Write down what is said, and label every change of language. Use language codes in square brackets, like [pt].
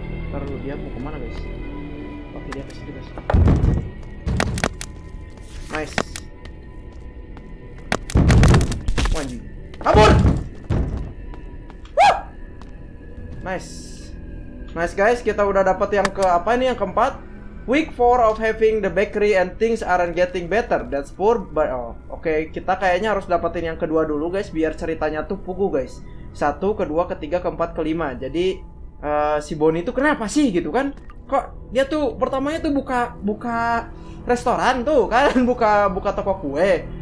[id] Ntar lu dia mau kemana guys? Oke dia kesitu guys. [en] Nice. Wanji. Kabur! Wuh! Nice. [id] Nice guys, kita udah dapat yang ke apa ini yang keempat? [en] Week 4 of having the bakery and things aren't getting better. That's poor, but oh, okay. [id] Kita kayaknya harus dapetin yang kedua dulu, guys. Biar ceritanya tuh pukul, guys. Satu, kedua, ketiga, keempat, kelima. Jadi si Bonnie itu kenapa sih gitu kan? Kok dia tuh pertamanya tuh buka restoran tuh kan? Buka toko kue.